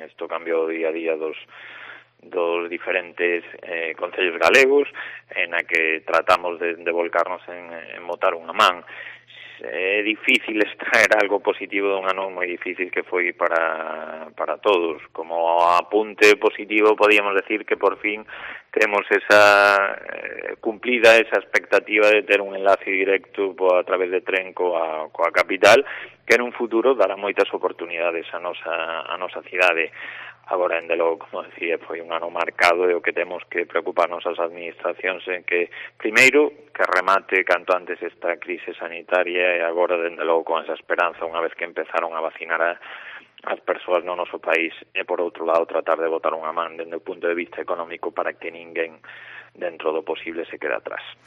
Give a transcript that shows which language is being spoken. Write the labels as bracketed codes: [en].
[gl] Isto cambiou o día a día dos diferentes concellos galegos, en a que tratamos de volcarnos en botar unha man. [es] difícil extraer algo positivo de un ano muy difícil que fue para todos. Como apunte positivo podríamos decir que por fin tenemos esa cumplida esa expectativa de tener un enlace directo a través de tren [gl] coa capital, que en un futuro dará moitas oportunidades a nosa cidade. Agora, dende logo, como decía, foi un ano marcado e o que temos que preocuparnos as administracións en que, primeiro, que remate canto antes esta crise sanitaria e agora, dende logo, con esa esperanza, unha vez que empezaron a vacinar as persoas no noso país, e, por outro lado, tratar de botar unha man dende o punto de vista económico para que ninguén dentro do posible se queda atrás.